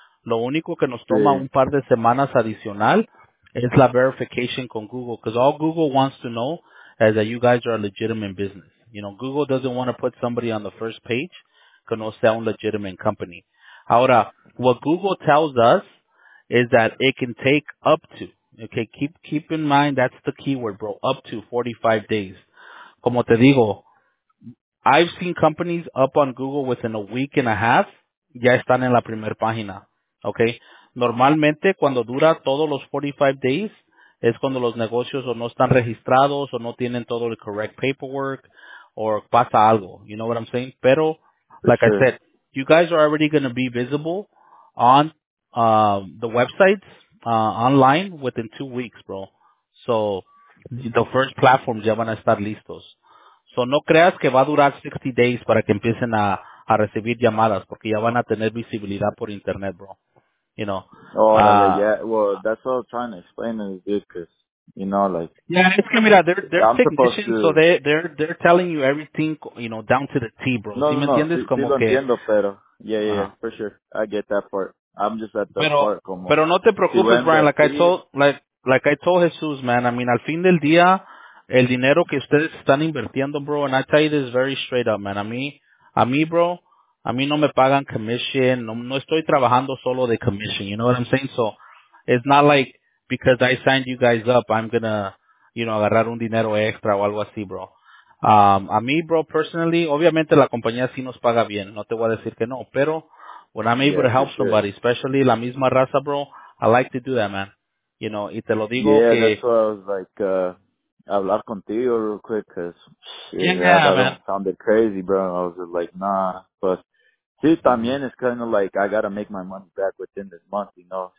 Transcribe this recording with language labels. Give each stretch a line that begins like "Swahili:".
Spanish: Lo único que nos toma un par de semanas adicional es la verification con Google.
English: Because all Google wants to know is that you guys are a legitimate business. You know, Google doesn't want to put somebody on the first page
Spanish: que no sea un
English: legitimate company.
Spanish: Ahora,
English: what Google tells us is that it can take up to, okay, keep in mind that's the keyword, bro, up to 45 days.
Spanish: Como te digo,
English: I've seen companies up on Google within a week and a half,
Spanish: ya están en la primera página.
English: Okay.
Spanish: Normalmente, cuando dura todos los 45 days, es cuando los negocios o no están registrados o no tienen todo el
English: correct paperwork or
Spanish: pasa algo.
English: You know what I'm saying?
Spanish: Pero,
English: I said, you guys are already going to be visible on the websites online within 2 weeks, bro. So, the first platforms
Spanish: ya van a estar listos. So, no creas que va a durar 60 days para que empiecen a recibir llamadas porque ya van a tener visibilidad por internet, bro.
English: You know. That's what I was trying to explain to you, because, you know, like. Yeah, it's Camila. They're technicians, so they're telling you everything, you know, down to the T, bro. For sure. I get that part. I'm just at the part.
Spanish: Pero no te preocupes,
English: Brian. Like I told Jesus, man. I mean,
Spanish: al fin del día, el dinero que ustedes están invirtiendo,
English: bro, and I tell you this very straight up, man.
Spanish: A mí, bro, no me pagan commission. No estoy trabajando solo de commission.
English: You know what I'm saying? So, it's not like because I signed you guys up, I'm going to, you know,
Spanish: agarrar un dinero extra o algo así,
English: bro.
Spanish: A mí, bro, personally, obviamente la compañía sí nos paga bien. No te voy a decir que no.
English: Pero when I'm able to help somebody, especially
Spanish: la misma raza,
English: bro, I like to do that, man. You know,
Spanish: y te lo digo que...
English: Yeah, that's what I was like,
Spanish: hablar contigo
English: real quick, because that sounded crazy, bro. I was just like, nah. But,
Spanish: sí, también es
English: kind of like, I got to make my money back within this month, you know.